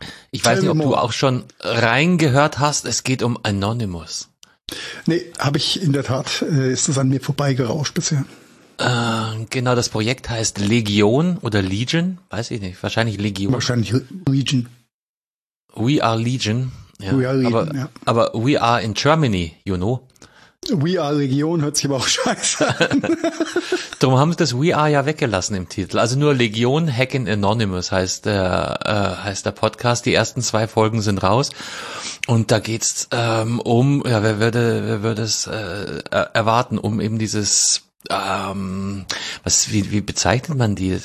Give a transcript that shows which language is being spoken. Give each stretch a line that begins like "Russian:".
German: Ich weiß nicht, ob du auch schon reingehört hast, es geht um Anonymous. Nee, habe ich in der Tat, ist das an mir vorbeigerauscht bisher. Genau, das Projekt heißt Legion oder Legion, weiß ich nicht, wahrscheinlich Legion. Wahrscheinlich Legion.
English: We are Legion. Ja. We are Legion, aber we are in Germany, you know. We Are Legion
German: hört sich aber auch scheiße an. Darum haben sie das We Are ja weggelassen im Titel. Also nur Legion Hacking Anonymous heißt der Podcast. Die ersten zwei Folgen sind raus. Und da geht's um, ja, wer würde es erwarten, um eben dieses, wie bezeichnet man die?